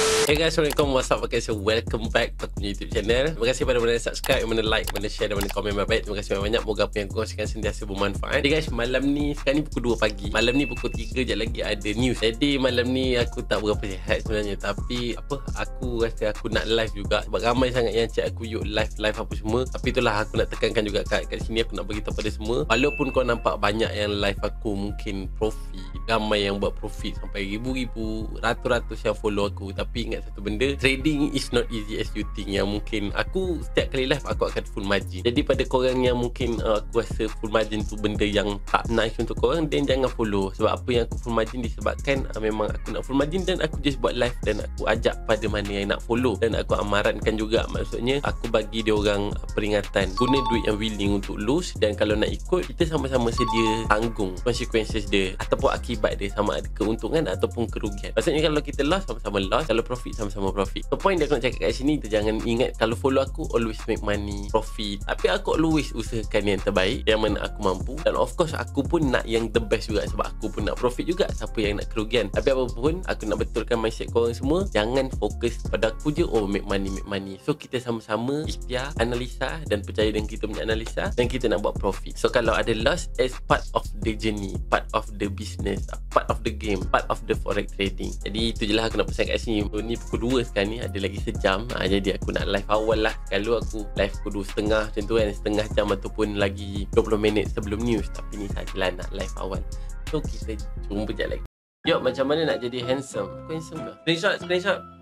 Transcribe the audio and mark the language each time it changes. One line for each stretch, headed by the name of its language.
English: Hey guys, assalamualaikum, what's up, okay, so welcome back to my YouTube channel.
Malay: Terima kasih pada mana yang subscribe, mana like, mana share dan mana komen baik-baik. Terima kasih banyak-banyak, moga apa yang kongsikan sentiasa bermanfaat. Hey guys, malam ni, sekarang ni pukul 2 pagi. Malam ni pukul 3 je lagi ada news. Jadi malam ni aku tak berapa sihat sebenarnya. Tapi apa, aku rasa aku nak live juga. Sebab ramai sangat yang chat aku, yuk live apa semua. Tapi itulah aku nak tekankan juga kat sini, aku nak beritahu pada semua. Walaupun kau nampak banyak yang live aku mungkin profit, ramai yang buat profit sampai ribu-ribu, ratus-ratus yang follow aku. Tapi ingat satu benda,
English: trading is not easy as you think.
Malay: Yang mungkin aku setiap kali live aku akan full margin. Jadi pada korang yang mungkin aku rasa full margin tu benda yang tak nice untuk korang, then jangan follow. Sebab apa yang aku full margin disebabkan memang aku nak full margin dan aku just buat live dan aku ajak pada mana yang nak follow. Dan aku amarankan juga, maksudnya aku bagi diorang peringatan, guna duit yang willing untuk lose. Dan kalau nak ikut, kita sama-sama sedia tanggung consequences dia ataupun akibat dia, sama ada keuntungan ataupun kerugian. Maksudnya kalau kita loss, sama-sama loss. Kalau profit, sama-sama profit. The point dia aku nak cakap kat sini, jangan ingat kalau follow aku
English: always make money,
Malay: profit. Tapi aku always usahakan yang terbaik, yang mana aku mampu. Dan of course aku pun nak yang
English: the best
Malay: juga, sebab aku pun nak profit juga, siapa yang nak kerugian. Tapi apapun, aku nak betulkan mindset korang semua, jangan fokus pada aku je, oh
English: make money, make money.
Malay: So kita sama-sama ikhtiar, analisa, dan percaya dengan kita punya analisa, dan kita nak buat profit. So kalau ada
English: loss, as part of the journey, part of the business, part of the game, part of the forex trading.
Malay: Jadi itu je lah aku nak pesan kat sini. Ni pukul 2 sekarang ni, ada lagi sejam ha, jadi aku nak live awal lah. Kalau aku live pukul 2.30 macam tu kan, setengah jam ataupun lagi 20 minit sebelum news. Tapi ni sajalah nak live awal. So kita jumpa sekejap lagi. Yo, macam mana nak jadi handsome? Aku handsome ke? Screenshot.